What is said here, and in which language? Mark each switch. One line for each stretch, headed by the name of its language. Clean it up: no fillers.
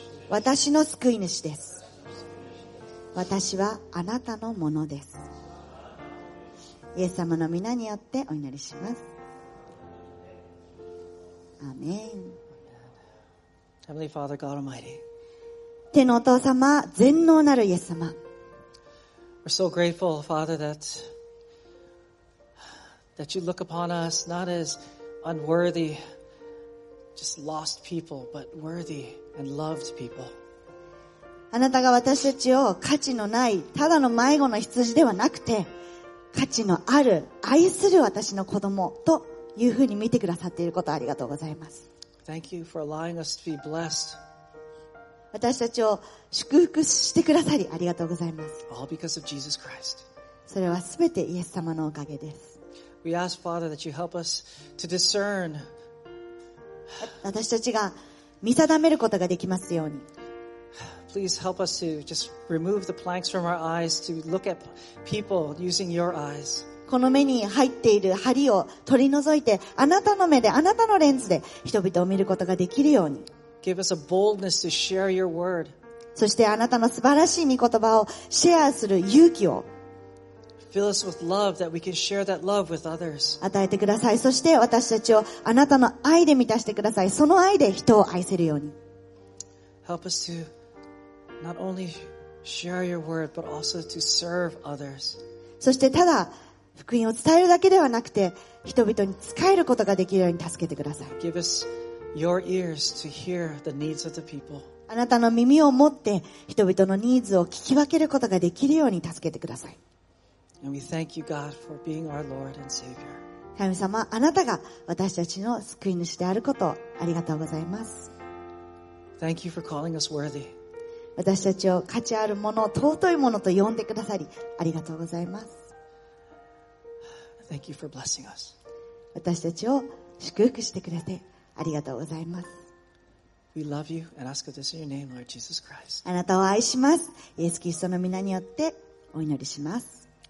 Japanese: 私の救い主です。私はあなたのものです。イエス様の皆によってお祈りします。アーメン。
English: Heavenly Father, God Almighty.
Japanese: 天のお父様、全能なるイエス様。
English: We're so grateful, Father, that you look upon us not as unworthy, just lost people, but worthy and loved people.
Japanese: あなたが私たちを価値のない、ただの迷子の羊ではなくて、価値のある愛する私の子供というふうに見てくださっていることありがとうございます。
English: Thank you for allowing us to be blessed.
Japanese: 私たちを祝福してくださりありがとうございます。
English: All because of Jesus Christ.
Japanese: それはすべてイエス様のおかげです。
English: We ask Father that you help us to discern.
Japanese: 私たちが見定めることができますように、
English: Please help us to just remove the planks from our eyes to look at people using your eyes.
Japanese: この目に入っている針を取り除いて、あなたの目で、あなたのレンズで人々を見ることができるように。
English: Give us a boldness to share your word.
Japanese: そしてあなたの素晴らしい御言葉をシェアする勇気を。
English: Fill us with love that we can share that love with others.
Japanese: 与えてください。そして私たちをあなたの愛で満たしてください。その愛で人を愛せるように。
English: Help us to. Not only share your word, but also to serve others.
Japanese: そしてただ福音を伝えるだけではなくて、人々に仕えることができるように助けてください。
English: Give us your ears to hear the needs of the people.
Japanese: あなたの耳を持って人々のニーズを聞き分けることができるように助けてください。
English: And we thank you, God, for being our Lord and Savior.
Japanese: 神様、あなたが私たちの救い主であることをありがとうございます。
English: Thank you for calling us worthy.
Japanese: 私たちを価値あるもの、尊いものと呼んでくださり、ありがとうございます。
English: Thank you for blessing us.
Japanese: 私たちを祝福してくれて、ありがとうございます。
English: We love you and ask this in your name, Lord Jesus Christ.
Japanese: あなたを愛します。イエス・キリストの皆によってお祈りします。